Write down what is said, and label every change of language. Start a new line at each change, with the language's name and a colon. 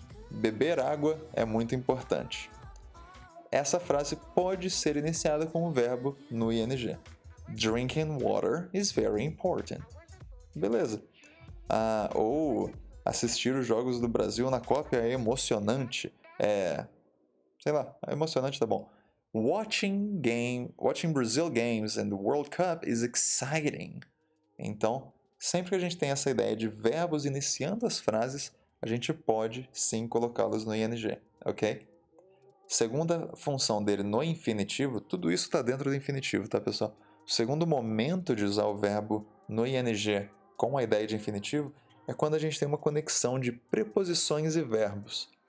Portuguese: beber água é muito importante. Essa frase pode ser iniciada com um verbo no ing.
English: Drinking water is very important.
Portuguese: Beleza. Ou assistir os jogos do Brasil na Copa é emocionante. Sei lá, emocionante, tá bom.
English: Watching Brazil games and the World Cup is exciting.
Portuguese: Então, sempre que a gente tem essa ideia de verbos iniciando as frases, a gente pode sim colocá-los no ing, ok? Segunda função dele no infinitivo, tudo isso está dentro do infinitivo, tá, pessoal? O segundo momento de usar o verbo no ing com a ideia de infinitivo é quando a gente tem uma conexão de preposições e verbos.